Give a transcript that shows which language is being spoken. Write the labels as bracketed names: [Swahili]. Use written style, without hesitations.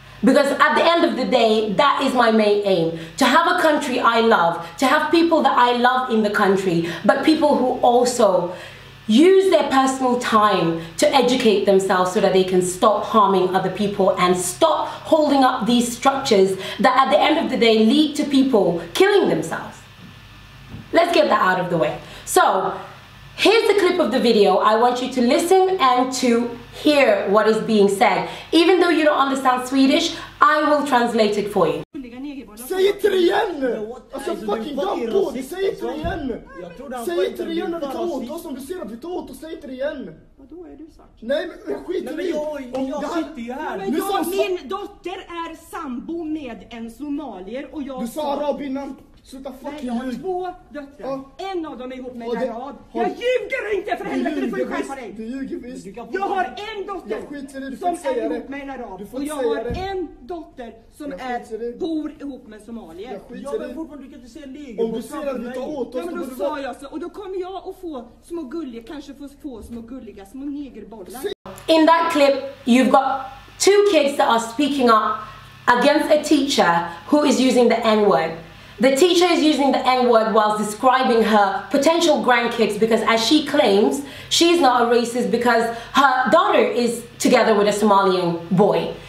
[English] Because at the end of the day, that is my main aim, to have a country I love, to have people that I love in the country, but people who also use their personal time to educate themselves so that they can stop harming other people and stop holding up these structures that at the end of the day lead to people killing themselves. Let's get that out of the way. So here's the clip of the video. I want you to listen and to hear what is being said. Even though you don't understand Swedish, I will translate it for you. [Swedish] Säg inte det igen! Alltså fucking jag på dig, säg inte det igen! Säg inte det igen när du tar åt oss, om du ser att vi tar åt oss, säg inte det igen! Vadå är du sagt? Nej men skit i det! Jag sitter ju här! Men jag, min dotter är sambo med en somalier och jag... Du sa arab innan! Sluta fucking ljug! Nej, jag har två döttrar. En av dem är ihop med en arab. Jag ljuger inte för helvete, du får ju skärpa dig! Du ljuger visst! Jag har en dotter som är ihop med en arab. Och jag har en dotter som bor ihop med somalier. Ja men fortfarande, du kan inte säga neger. Om du ser att du tar åt oss. Ja men då sa jag så. Och då kommer jag att få små gulliga, kanske få små gulliga små negerbollar. [English] In that clip, you've got two kids that are speaking up against a teacher who is using the N-word. The teacher is using the N-word whilst describing her potential grandkids, because as she claims, she's not a racist because her daughter is together with a Somalian boy.